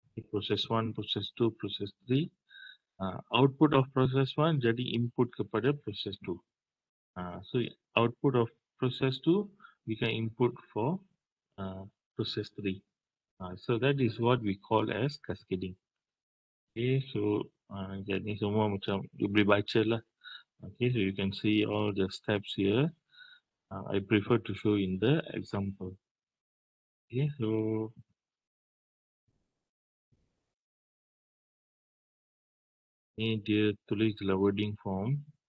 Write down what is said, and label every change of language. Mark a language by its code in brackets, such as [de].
[ms] Proses 1, proses 2, proses 3. [en] Output of [ms] proses 1 jadi input kepada proses 2. [en] So output of proses 2, we can input for proses 3. So that is what we call as cascading. [ms] Okay, so jadi semua macam you boleh baca lah. [en] Okay, so you can see all the steps here. I prefer to show in the example. [ms] Okay, so ni dia tulis dalam [en] wording form.